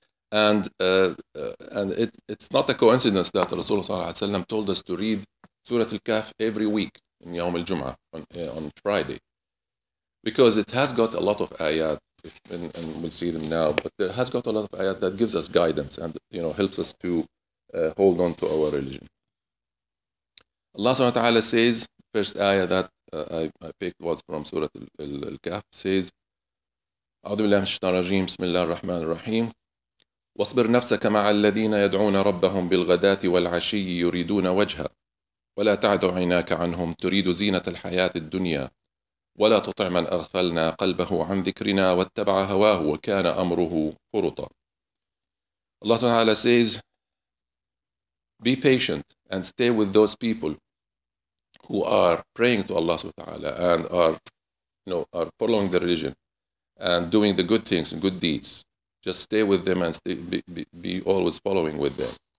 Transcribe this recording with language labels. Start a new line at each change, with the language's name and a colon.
English: And it's not a coincidence that Rasulullah Sallallahu Alaihi Wasallam told us to read Surat Al-Kahf every week in Yawm Al-Jum'ah on Friday, because it has got a lot of ayat. And we'll see them now, but there has got a lot of ayat that gives us guidance and, you know, helps us to hold on to our religion. Allah subhanahu wa ta'ala says, first ayah that I picked was from Surah Al-Kahf, says,
Arabic: أعوذ بالله من الشيطان الرجيم بسم الله الرحمن الرحيم واصبر نفسك مع الذين يدعون ربهم بالغداة والعشي يريدون وجها ولا تعد عيناك عنهم تريد زينة الحياة الدنيا ولا تطع من أغفلنا قلبه عن ذكرنا واتبع هواه وكان أمره فرطا.
English: Allah subhanahu wa ta'ala says, be patient and stay with those people who are praying to Allah subhanahu wa ta'ala and are, you know, are following the religion and doing the good things and good deeds. Just stay with them and be always following with them.